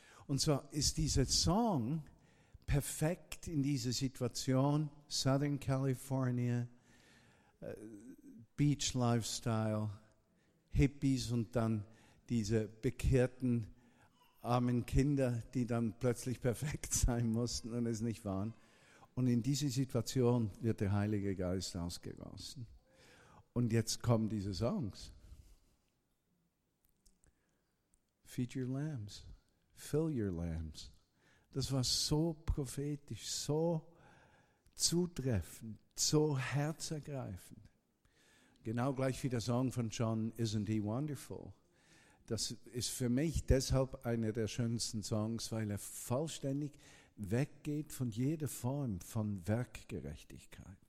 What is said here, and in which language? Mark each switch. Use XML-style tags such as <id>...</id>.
<de>Und zwar ist dieser Song perfekt in dieser Situation, Southern California, Beach Lifestyle, Hippies und dann diese bekehrten armen Kinder, die dann plötzlich perfekt sein mussten und es nicht waren. Und in diese Situation wird der Heilige Geist ausgegossen. Und jetzt kommen diese Songs.</de> <en>Feed your lambs, fill your lambs.</en> <de>Das war so prophetisch, so zutreffend, so herzergreifend. Genau gleich wie der Song von John, Isn't He Wonderful. Das ist für mich deshalb einer der schönsten Songs, weil er vollständig weggeht von jeder Form von Werkgerechtigkeit.</de>